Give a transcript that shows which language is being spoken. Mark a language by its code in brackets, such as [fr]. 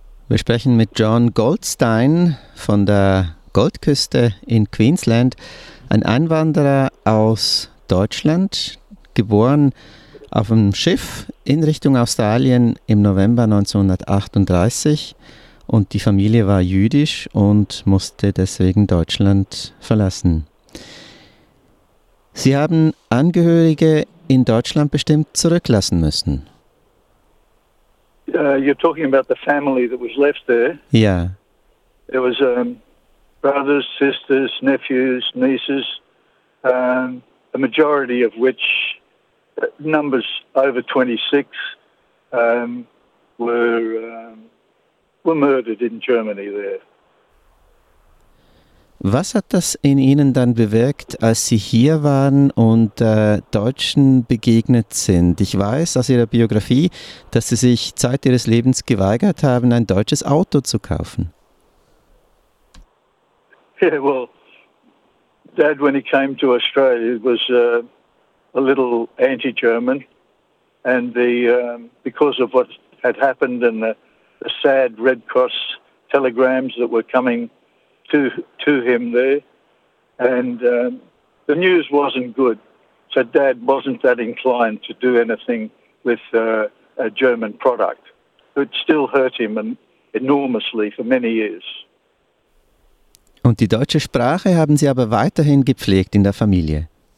[de] Wir sprechen mit John Goldstein von der Goldküste in Queensland, ein Einwanderer aus Deutschland, geboren auf einem Schiff in Richtung Australien im November 1938 und die Familie war jüdisch und musste deswegen Deutschland verlassen. Sie haben Angehörige in Deutschland bestimmt zurücklassen müssen. [en] You're talking about the family that was left there. Yeah. It was brothers, sisters, nephews, nieces, the majority of which numbers over 26 were murdered in Germany there. [de] Was hat das in Ihnen dann bewirkt, als Sie hier waren und Deutschen begegnet sind? Ich weiß aus Ihrer Biografie, dass Sie sich Zeit Ihres Lebens geweigert haben, ein deutsches Auto zu kaufen. [en] Yeah, well, Dad, when he came to Australia, was a little anti-German, and the because of what had happened and the sad Red Cross telegrams that were coming to him there, and the news wasn't good, so Dad wasn't that inclined to do anything with a German product. It still hurt him enormously for many years. [de] Und die deutsche Sprache haben Sie aber weiterhin gepflegt in der Familie.